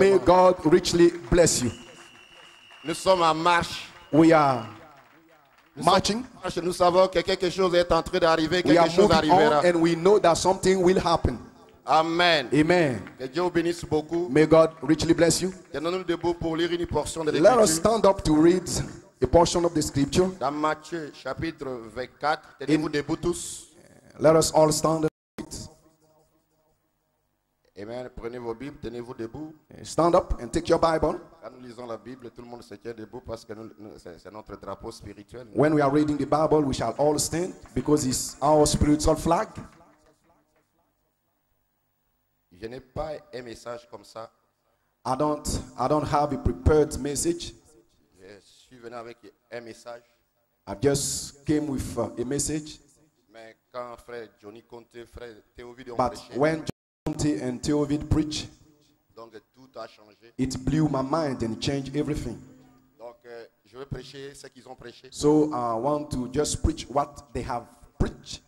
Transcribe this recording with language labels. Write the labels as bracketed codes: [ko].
[en] May God richly bless you. [fr] Nous sommes en marche. [en] We are marching. [fr] Nous savons que quelque chose est en train d'arriver, quelque chose arrivera. [en] We are moving on and we know that something will happen. [fr] Amen. [en] Amen. [fr] Que Dieu vous bénisse beaucoup. [en] May God richly bless you. [fr] Tenons-nous debout pour lire une portion de l'Écriture. [en] Let us stand up to read a portion of the scripture. [fr] Dans Matthieu chapitre 24, tenez-vous debout tous. [en] Let us all stand up. [fr] Amen. Prenez vos Bibles, tenez-vous debout. [en] Stand up and take your Bible. [fr] Quand nous lisons la Bible, tout le monde se tient debout parce que c'est notre drapeau spirituel. [en] When we are reading the Bible, we shall all stand because it's our spiritual flag. [fr] Je n'ai pas un message comme ça. [en] I don't have a prepared message. [fr] Je suis venu avec un message. [en] I just came with a message. [fr] Mais quand frère Johnny Conte, frère Théovide ont prêché, [en] and Théovide preach, [fr] donc, tout a changé. [en] It blew my mind and changed everything. [fr] Donc, je veux prêcher ce qu'ils ont prêché. [en] So I want to just preach what they have preached.